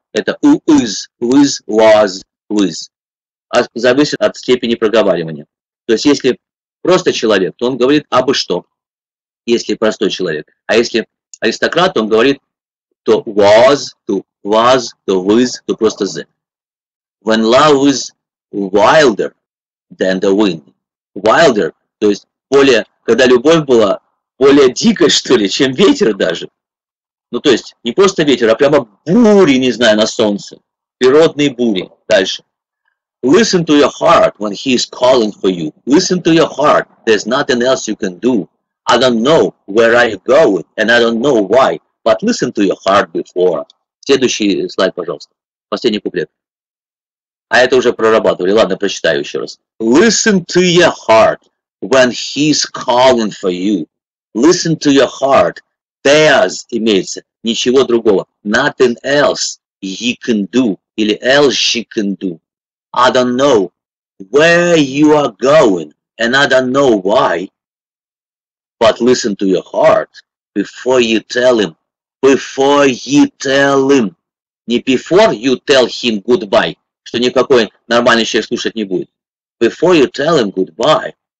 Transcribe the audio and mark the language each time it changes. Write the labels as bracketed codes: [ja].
[ru] Это уз, уз, was, уз. А зависит от степени проговаривания. То есть, если просто человек, то он говорит абы что, если простой человек. А если аристократ, то он говорит то was, то was, то просто the. [en] When love is wilder than the wind. [ru] Wilder, то есть, более, когда любовь была более дикой, что ли, чем ветер даже. Ну, то есть, не просто ветер, а прямо бури, не знаю, на солнце. Природные бури. Дальше. [en] Listen to your heart when he is calling for you. Listen to your heart. There's nothing else you can do. I don't know where I'm going, and I don't know why. But listen to your heart before. [ru] Следующий слайд, пожалуйста. Последний куплет. А это уже прорабатывали. Ладно, прочитаю еще раз. [en] Listen to your heart when he is calling for you. Listen to your heart. There's имеется. [ru] Ничего другого. [en] Nothing else he can do. Или else she can do. I don't know where you are going. And I don't know why. But listen to your heart before you tell him. Before you tell him. Не before you tell him goodbye. [ru] Что никакой нормальный человек слушать не будет. [en] Before you tell him goodbye.